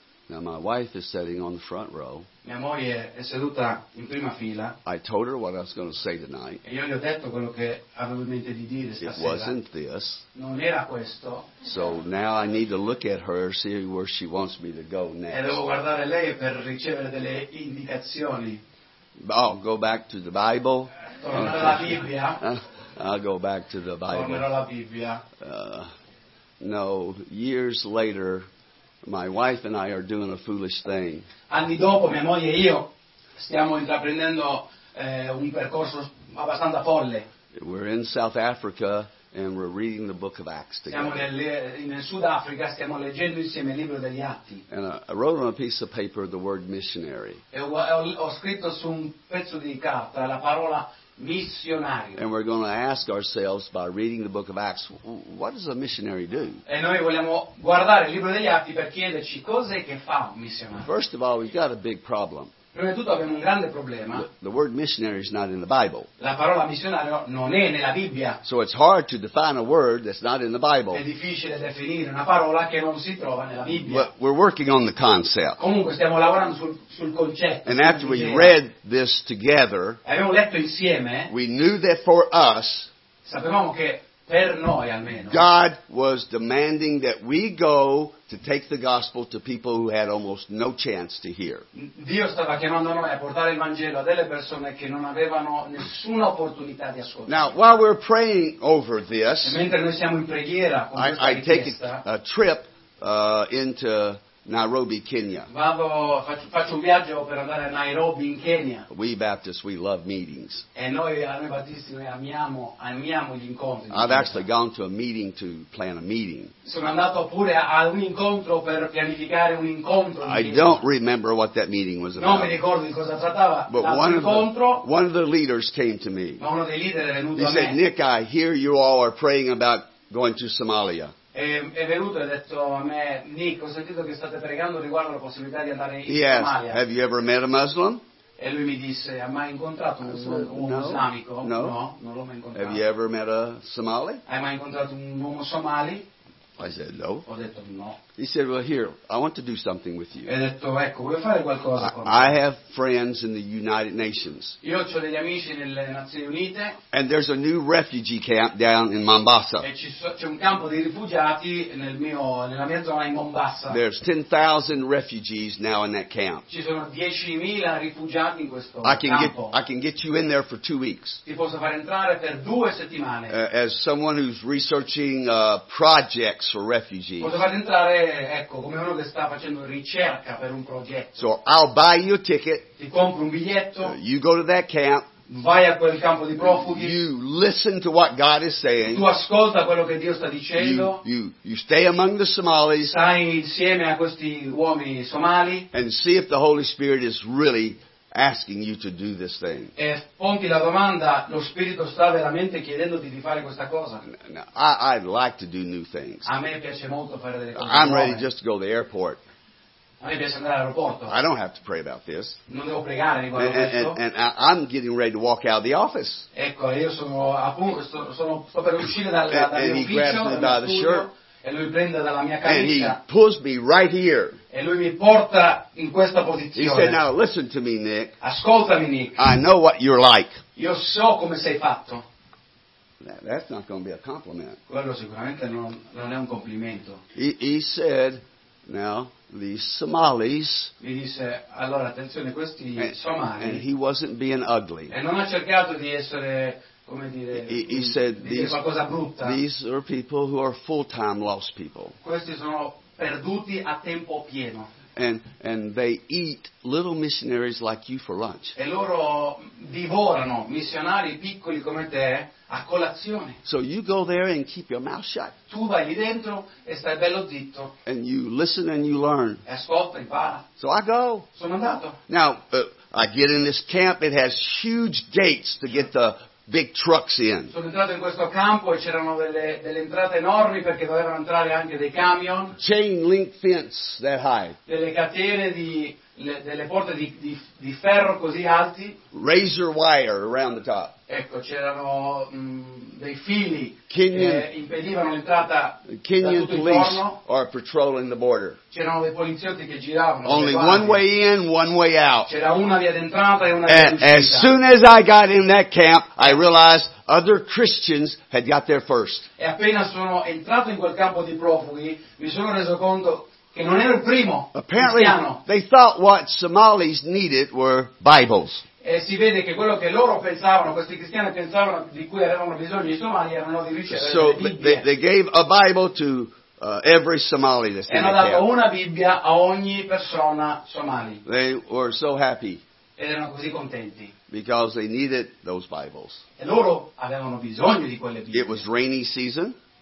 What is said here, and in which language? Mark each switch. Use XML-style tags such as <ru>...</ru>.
<en>Now my wife is sitting on the front row.</en> <it>Mia moglie è seduta in prima fila.</it> <en>I told her what I was going to say tonight.</en> <it>E io gli ho detto quello che avevo in mente di dire stasera.</it> <en>It wasn't this.</en> <it>Non era questo.</it> <en>So now I need to look at her, see where she wants me to go next.</en> <it>E devo guardare lei per ricevere delle indicazioni.</it> <en>I'll go back to the Bible.</en> <it>Tornerò alla Bibbia.</it> <en>I'll go back to the Bible.</en> <it>Tornerò alla Bibbia.</it> <en>No, years later. My wife and I are doing a foolish thing.</en> <it>Anni dopo, mia moglie e io stiamo intraprendendo un percorso abbastanza folle.</it> <en>We're in South Africa and we're reading the book of Acts together.</en> <it>Siamo nel Sudafrica, stiamo leggendo insieme il libro degli Atti.</it> <en>And I wrote on a piece of paper the word missionary.</en> <it>E ho scritto su un pezzo di carta la parola missionario.</it> <en>And we're going to ask ourselves by reading the book of Acts, what does a missionary do?</en> <it>E noi vogliamo guardare il libro degli Atti per chiederci cos'è che fa un missionario.</it> <en>First of all, we've got a big problem.</en> <it>Prima di tutto abbiamo un grande problema.</it> <en>The word missionary is not in the Bible.</en> <it>La parola missionario non è nella Bibbia.</it> <en>So it's hard to define a word that's not in the Bible.</en> <it>È difficile definire una parola che non si trova nella Bibbia.</it> <en>But we're working on the concept.</en> <it>Comunque stiamo lavorando sul concetto.</it> <en>And after we read this together,</en> <it>abbiamo letto insieme,</it> <en>we knew that for us,</en> <it>sapevamo che per noi almeno,</it> <en>God was demanding that we go to take the gospel to people who had almost no chance to hear.</en> <it>Dio stava chiamando noi a portare il Vangelo a delle persone che non avevano nessuna opportunità di ascoltare.</it> <en>Now, while we're praying over this,</en> <it>e mentre noi siamo in preghiera con questa</it> <en>I take a trip into Nairobi, Kenya.</en> <it>Vado, faccio un viaggio per andare a Nairobi in Kenya.</it> <en>We Baptists, we love meetings.</en> <it>E noi Battisti noi amiamo gli incontri.</it> <en>I've actually gone to a meeting to plan a meeting.</en> <it>Sono andato pure a un incontro per pianificare un incontro.</it> <en>I don't remember what that meeting was about.</en> <it>Non mi ricordo di cosa trattava.</it> <en>But one of the leaders came to me.</en> <it>Ma uno dei leader è venuto a me.</it> <en>He said, "Nick, I hear you all are praying about going to Somalia."</en> <it>È venuto e ha detto a me, Nick, ho sentito che state pregando riguardo la possibilità di andare in Somalia.</it> <en>Yes. Have you ever met a Muslim?</en> <it>E lui mi disse, ha mai incontrato un islamico?</it> <en>No.</en> <it>No, non l'ho mai incontrato.</it> <en>Have you ever met a Somali?</en> <it>Hai mai incontrato un uomo somali?</it> <en>I said no.</en> <it>Ho detto no.</it> <en>He said, "Well, here, I want to do something with you."</en> <it>E detto, ecco, voglio fare qualcosa con me.</it> <en>I have friends in the United Nations.</en> <it>Io ho degli amici nelle Nazioni Unite.</it> <en>And there's a new refugee camp down in Mombasa.</en> <it>E c'è un campo di rifugiati nella mia zona in Mombasa.</it> <en>There's 10,000 refugees now in that camp.</en> <it>Ci sono 10,000 rifugiati in questo campo.</it> <en>I can get you in there for 2 weeks.</en> <it>Ti posso far entrare per 2 settimane.</it> <en>As someone who's researching projects for refugees.</en> <it>Posso far entrare. Ecco, come uno che sta facendo ricerca per un progetto.</it> <en>So I'll buy you a ticket.</en> <it>Ti compro un biglietto.</it> <en>You go to that camp.</en> <it>Vai a quel campo di profughi.</it> <en>You listen to what God is saying.</en> <it>Tu ascolta quello che Dio sta dicendo.</it> <en>You stay among the Somalis.</en> <it>Stai insieme a questi uomini somali.</it> <en>And see if the Holy Spirit is really asking you to do this thing.</en> <it>E ponti la domanda, lo Spirito sta veramente chiedendoti di fare questa cosa?</it> <en>I'd like to do new things.</en> <it>A me piace molto fare delle cose</it> <en>I'm</en> <it>nuove.</it> <en>Ready just to go to the airport.</en> <it>A me piace andare all'aeroporto.</it> <en>I don't have to pray about this.</en> <it>Non devo pregare riguardo questo.</it> <en>And I'm getting ready to walk out of the office.</en> <it>Ecco, io sto per uscire dall'ufficio.</it> <en>Shirt.</en> <it>E lui prende dalla mia camicia.</it> <en>And he pulls me right here.</en> <it>E lui mi porta in questa posizione.</it> <en>He said, "Now listen to me, Nick.</en> <it>Ascoltami, Nick.</it> <en>I know what you're like.</en> <it>Io so come sei fatto."</it> <en>That's not going to be a compliment.</en> <it>Quello sicuramente non è un complimento.</it> <en>He said, "Now these Somalis."</en> <it>Mi disse, allora attenzione questi somali.</it> <en>And he wasn't being ugly.</en> <it>E non ha cercato di essere</it> <en>he said, these are people who are full-time lost people.</en> <it>Questi sono perduti a tempo pieno.</it> <en>And they eat little missionaries like you for lunch.</en> <it>E loro divorano missionari piccoli come te a colazione.</it> <en>So you go there and keep your mouth shut.</en> <it>Tu vai lì dentro e stai bello zitto.</it> <en>And you listen and you learn.</en> <it>E ascolta, impara.</it> <en>So I go.</en> <it>Sono andato.</it> <en>Now, I get in this camp. It has huge gates to get the big trucks in.</en> <it>Sono entrato in questo campo e c'erano delle entrate enormi perché dovevano entrare anche dei camion.</it> <en>Chain link fence that high.</en> <it>Delle catene delle porte di ferro così alti.</it> <en>Razor wire around the top.</en> <it>Ecco, c'erano dei fili Kenyan, che impedivano l'entrata.</it> <en>Kenyan police are patrolling the border.</en> <it>C'erano dei poliziotti che giravano.</it> <en>Only one way in, one way out.</en> <it>C'era una via d'entrata e una via d'uscita.</it> <en>As soon as I got in that camp, I realized other Christians had got there first.</en> <it>E appena sono entrato in quel campo di profughi, mi sono reso conto che non ero il primo.</it> <en>Apparently,</en> <it>cristiano.</it> <en>They thought what Somalis needed were Bibles.</en> <it>E si vede che quello che loro pensavano, questi cristiani pensavano di cui avevano bisogno i somali erano di ricevere</it> <en>so</en> <it>le Bibbie.</it> <en>They gave a Bible to every Somali that's in the camp.</en> <it>E hanno dato una Bibbia a ogni persona somali.</it> <en>They were so happy.</en> <it>Ed erano così contenti.</it> <en>Because they needed those Bibles.</en> <it>E loro avevano bisogno di quelle Bibbie.</it> <en>It was rainy season.</en>